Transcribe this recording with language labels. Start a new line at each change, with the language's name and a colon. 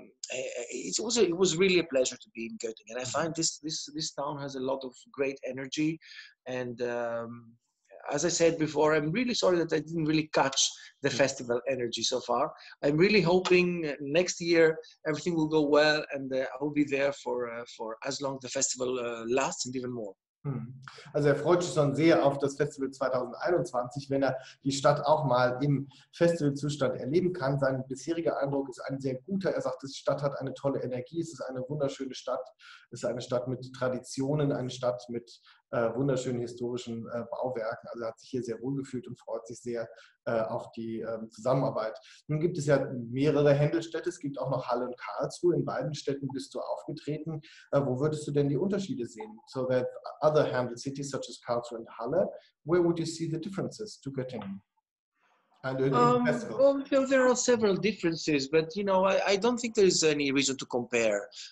English: It was really a pleasure to be in Göttingen. I find this town has a lot of great energy, and as I said before, I'm really sorry that I didn't really catch the festival energy so far. I'm really hoping next year everything will go well, and I'll be there for as long the festival lasts and even more.
German: Also er freut sich schon sehr auf das Festival 2021, wenn er die Stadt auch mal im Festivalzustand erleben kann. Sein bisheriger Eindruck ist ein sehr guter. Er sagt, die Stadt hat eine tolle Energie, es ist eine wunderschöne Stadt, es ist eine Stadt mit Traditionen, eine Stadt mit wunderschönen historischen Bauwerken. Also er hat sich hier sehr wohl gefühlt und freut sich sehr auf die Zusammenarbeit. Nun gibt es ja mehrere Händelstädte, es gibt auch noch Halle und Karlsruhe. In beiden Städten bist du aufgetreten. Wo würdest du denn die Unterschiede sehen?
English: So that other handel cities such as Karlsruhe and Halle, where would you see the differences to Göttingen? Well, there are several differences, but you know, I don't think there is any reason to compare.